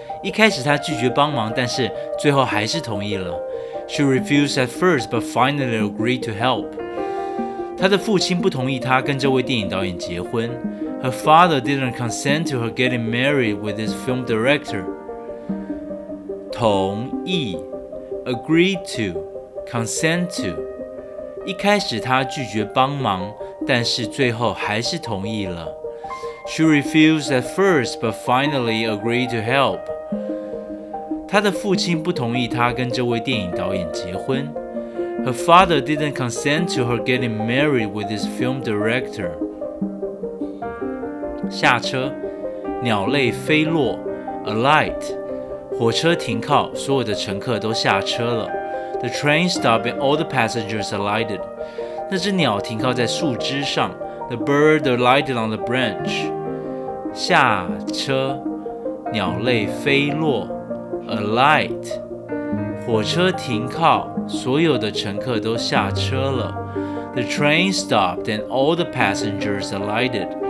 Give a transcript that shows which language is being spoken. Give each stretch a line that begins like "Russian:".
Chinese: 一开始她拒绝帮忙，但是最后还是同意了。
English: She refused at first, but finally agreed to help.
Chinese: 她的父亲不同意她跟这位电影导演结婚。
English: Her father didn't consent to her getting married with this film director. 同意 agree to, consent to.
Chinese: 一开始她拒绝帮忙，但是最后还是同意了。
English: She refused at first, but finally agreed to help.
Chinese: 她的父亲不同意她跟这位电影导演结婚。
English: Her father didn't consent to her getting married with this film director.
Chinese: 下车，鸟类飞落 ，alight. 火车停靠，所有的乘客都下车了。
English: The train stopped and all the passengers alighted.
Chinese: 那只鸟停靠在树枝上。
English: The bird alighted on the branch.
Chinese: 下车，鸟类飞落 ，alight. 火车停靠，所有的乘客都下车了。
English: The train stopped and all the passengers alighted.